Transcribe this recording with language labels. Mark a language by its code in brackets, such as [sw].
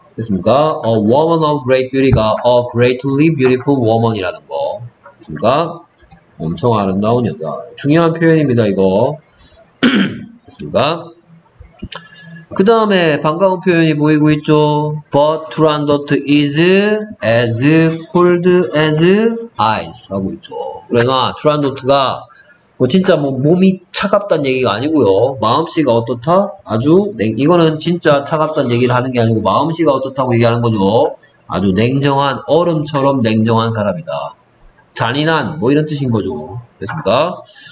[ko] 됐습니까? [en] A woman of great beauty [ko] 가 [en] a greatly beautiful woman [ko] 이라는 거. 됐습니까? 엄청 아름다운 여자. 중요한 표현입니다, 이거. 됐습니까? 그 다음에 반가운 표현이 보이고 있죠. [en] But Turandot is as cold as ice [ko] 하고 있죠. 그러나 투란도트가 뭐 진짜 뭐 몸이 차갑단 얘기가 아니고요. 마음씨가 어떻다? 아주 이거는 진짜 차갑단 얘기를 하는 게 아니고 마음씨가 어떻다고 얘기하는 거죠. 아주 냉정한 얼음처럼 냉정한 사람이다. 잔인한 뭐 이런 뜻인 거죠. 됐습니까?